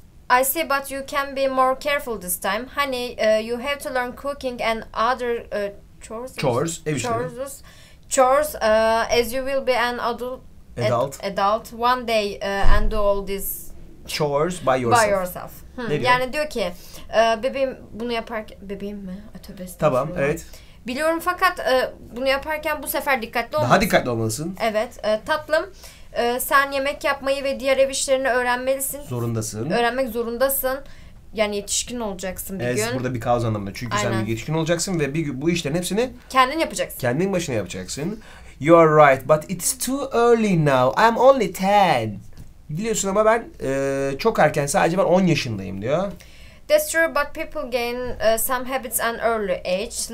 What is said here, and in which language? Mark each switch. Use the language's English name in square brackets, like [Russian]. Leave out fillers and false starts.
[English] I say, but you can be more careful this time. Honey, you have to learn cooking and other chores, as you will be an adult one day and do all this chores by yourself. By yourself. Hmm. [Turkish] Yani diyor ki, bebeğim bunu yaparken, bebeğim mi? Atöbesi. Tamam, evet. Biliyorum fakat bunu yaparken bu sefer dikkatli olmalısın. Daha dikkatli olmalısın. Evet. Tatlım, sen yemek yapmayı ve diğer ev işlerini öğrenmelisin. Zorundasın. Öğrenmek zorundasın. Yani yetişkin olacaksın bir gün. Evet, burada bir kaos anlamında. Çünkü aynen. Sen bir yetişkin olacaksın ve bir gün bu işlerin hepsini... Kendin yapacaksın. Kendin başına yapacaksın. [English] You are right, but it's too early now. I'm only 10. [Turkish] Biliyorsun ama ben çok erken, sadece ben 10 yaşındayım diyor. [English] That's true, but people gain some habits at an early age.